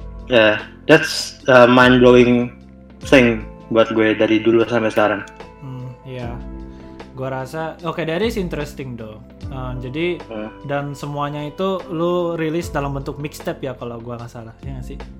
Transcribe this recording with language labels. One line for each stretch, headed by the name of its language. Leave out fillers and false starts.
English: Yeah, that's a mind blowing thing
Indonesian: buat gue dari dulu sampai sekarang. gue rasa
English: okay, that is interesting though.
Indonesian: Jadi dan semuanya itu lu rilis dalam bentuk mixtape ya kalau gue nggak salah, ya nggak sih?